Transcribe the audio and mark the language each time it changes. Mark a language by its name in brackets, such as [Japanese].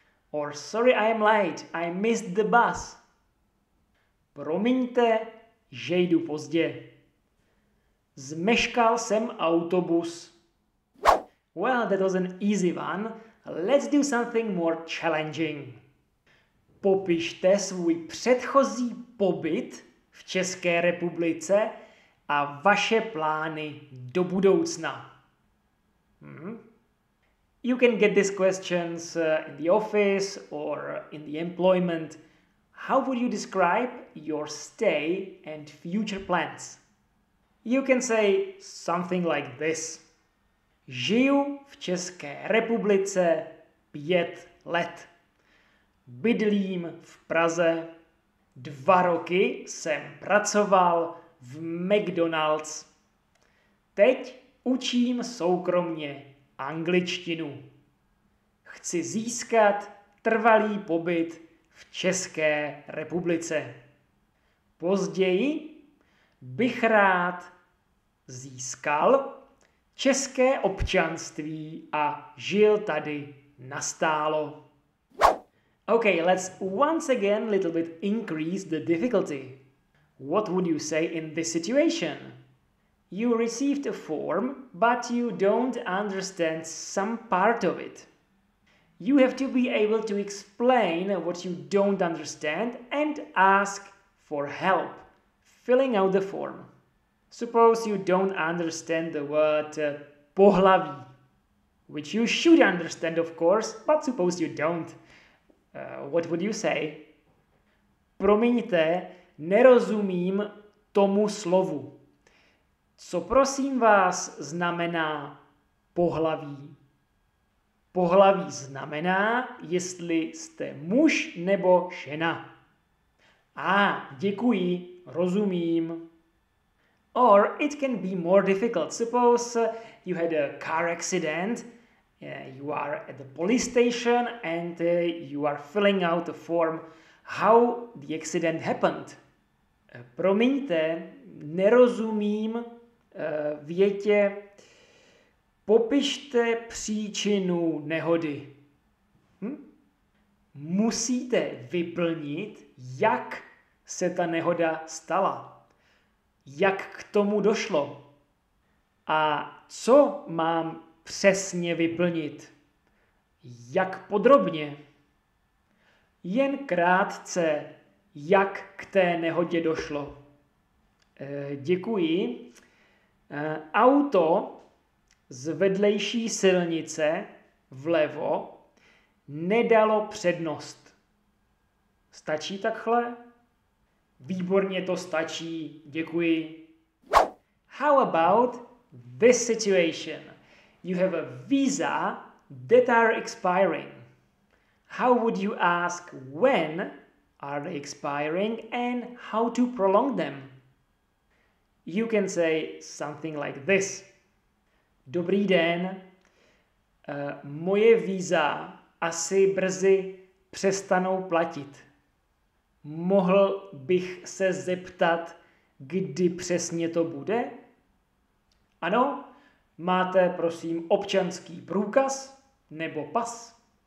[English] Or sorry, I am late. I missed the bus. [Czech] Promiňte, že jdu pozdě. Zmeškal jsem autobus. [English] Well, that was an easy one. Let's do something more challenging. [Czech] Popište svůj předchozí pobyt v České republice a vaše plány do budoucna. [English] You can get these questions in the office or in the employment. How would you describe your stay and future plans? You can say something like this. [Czech] Žiju v České republice 5 let. Bydlím v Praze. 2 roky jsem pracoval v McDonald's. Teď učím soukromně angličtinu. Chci získat trvalý pobyt v České republice. Později bych rád získal české občanství a žil tady nastálo. [English] Okay, let's once again a little bit increase the difficulty. What would you say in this situation? You received a form, but you don't understand some part of it. You have to be able to explain what you don't understand and ask for help filling out the form. Suppose you don't understand the word pohlaví, which you should understand, of course, but suppose you don't. What would you say? [Czech] Promiňte, nerozumím tomu slovu. Co prosím vás znamená pohlaví? Pohlaví znamená, jestli jste muž nebo žena. Děkuji, rozumím. [English] Or it can be more difficult. Suppose you had a car accident. You are at the police station and you are filling out a form how the accident happened. [Czech] Promiňte, nerozumím větě. Popište příčinu nehody. Musíte vyplnit, jak se ta nehoda stala. Jak k tomu došlo. A co mám přesně vyplnit? Jak podrobně? Jen krátce, jak k té nehodě došlo. Děkuji. Auto z vedlejší silnice vlevo nedalo přednost. Stačí takhle? Výborně to stačí, děkuji. [English] How about this situation? You have a visa that are expiring. How would you ask when are they expiring and how to prolong them? You can say something like this. [Czech] Dobrý den. Moje víza asi brzy přestanou platit. Mohl bych se zeptat, kdy přesně to bude? Ano, máte prosím občanský průkaz nebo pas?